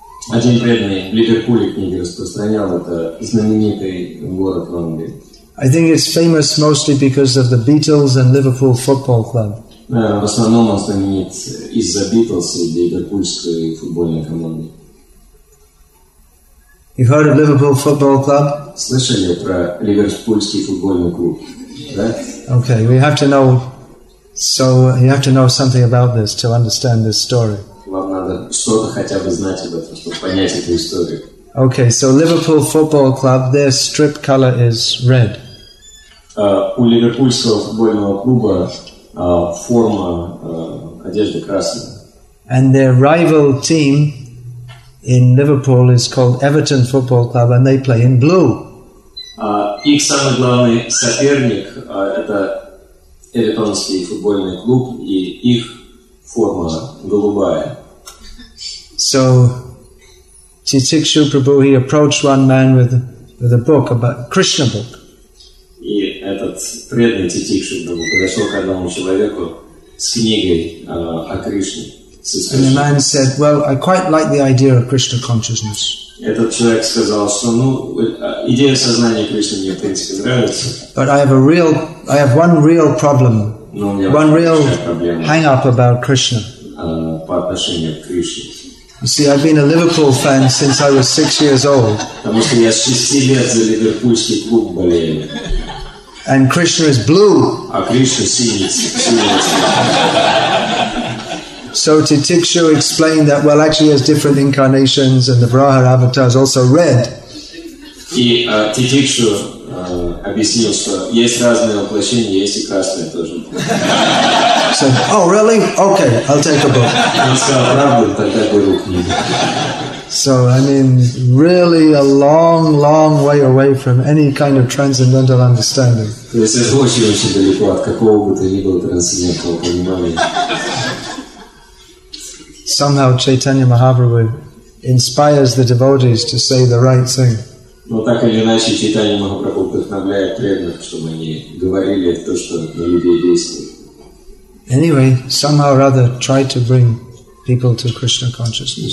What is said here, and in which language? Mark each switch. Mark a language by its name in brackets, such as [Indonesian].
[Russian] Один преданный в Ливерпуле книги распространял, это знаменитый город в Англии. [English] I think it's famous mostly because of the Beatles and Liverpool Football Club. [Russian] В основном он знаменит из-за Beatles и ливерпульской футбольной команды. [English] You heard of Liverpool Football Club? [Russian] Слышали про ливерпульский футбольный клуб? Да? [English] Okay, we have to know. So you have to know something about this to understand this story. [Russian] Вам надо что-то хотя бы знать об этом, чтобы понять эту историю. [English] Okay, so Liverpool Football Club, their strip color is red. [Russian] У ливерпульского футбольного клуба форма одежды красная. [English] And their rival team in Liverpool is called Everton Football Club, and they play in blue. [Russian] Их самый главный соперник это Эвертонский футбольный клуб, и их форма голубая. [English] So Chitikshu Prabhu, he approached one man with a book, about Krishna book. [Russian] И этот преданный Chitikshu Prabhu подошел к одному человеку с книгой о Кришне. [English] And the man said, "Well, I quite like the idea of Krishna consciousness." [Russian] Этот человек сказал, что, ну, идея сознания Кришны мне в принципе нравится. [English] But I have one real problem, one real hang-up about Krishna. [Russian] По отношению к Кришне. [English] You see, I've been a Liverpool fan since I was 6 years old. [Russian] Потому что я с 6 лет за ливерпульский клуб болею. [English] And Krishna is blue. [Russian] А Кришна синий цвет. [English] So Titikshu explained that, well, actually, there's different incarnations, and the Brahma avatar is also red. [Russian] И Titikshu объяснил, что есть разные воплощения, есть и красные тоже. [English] So, oh, really? Okay, I'll take a book. [Russian] Он сказал правду, тогда беру книгу. [English] So, I mean, really a long, long way away from any kind of transcendental understanding. [Russian] То есть это очень-очень далеко от какого бы то ни было трансцендентного понимания. [English] Somehow Chaitanya Mahaprabhu inspires the devotees to say the right thing. [Russian] Но так или иначе Чайтанья Махапрабху вдохновляет преданных, чтобы они говорили то, что на людей действует. [English] Anyway, somehow or other, try to bring people to Krishna consciousness.